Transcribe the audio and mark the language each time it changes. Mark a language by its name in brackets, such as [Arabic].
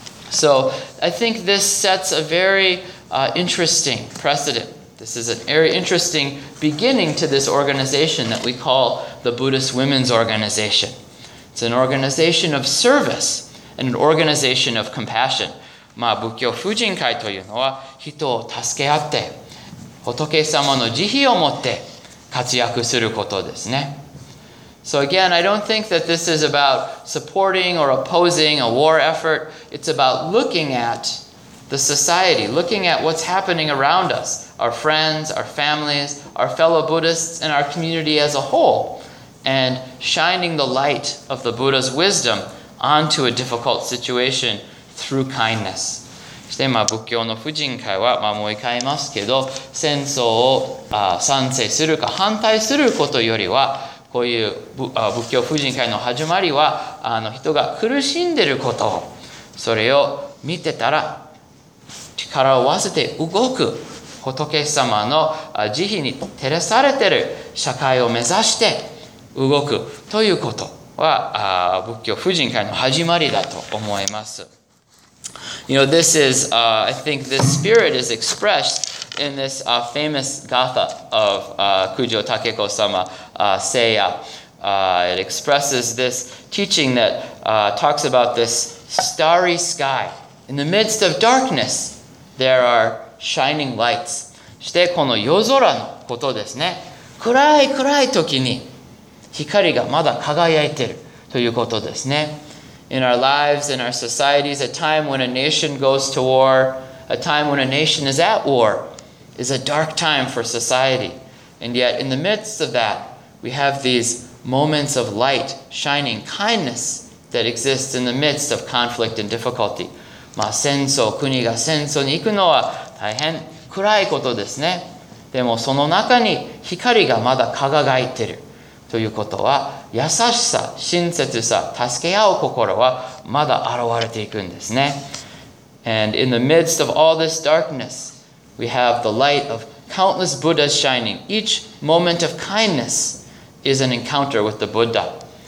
[English] So I think this sets a very interesting precedent. This is a very interesting beginning to this organization that we call the Buddhist Women's Organization. It's an organization of service and an organization of compassion. [Japanese] まあ仏教婦人会というのは人を助け合って仏様の慈悲を持って活躍することですね。 [English] So again, I don't think that this is about supporting or opposing a war effort. It's about looking at the society, looking at what's happening around us, our friends, our families, our fellow Buddhists, and our community as a whole, and shining the light of the Buddha's wisdom onto a difficult situation through kindness. [Japanese] そして、まあ、仏教の婦人会は、まあ、もう一回言いますけど、戦争を賛成するか反対することよりは、こういう 仏教婦人会の始まりは、人が苦しんでることを、それを見てたら、力を合わせて動く仏様の慈悲に照らされている社会を目指して動くということは、仏教婦人会の始まりだと思います。 [English] You know, this is, I think this spirit is expressed in this famous gatha of Kujo Takeko-sama, Seiya. It expresses this teaching that talks about this starry sky. In the midst of darkness, there are shining lights. [Japanese] そしてこの夜空のことですね。暗い時に光がまだ輝いてるということですね。 [English] In our lives, in our societies, a time when a nation goes to war, a time when a nation is at war, is a dark time for society. And yet, in the midst of that, we have these moments of light, shining kindness that exists in the midst of conflict and difficulty. [Japanese] まあ、戦争、国が戦争に行くのは大変暗いことですね。でもその中に光がまだ輝いてる。ということは優しさ、親切さ、助け合う心はまだ現れていくんですね。 [English] And in the midst of all this darkness, we have the light of countless Buddhas shining. Each moment of kindness is an encounter with the Buddha.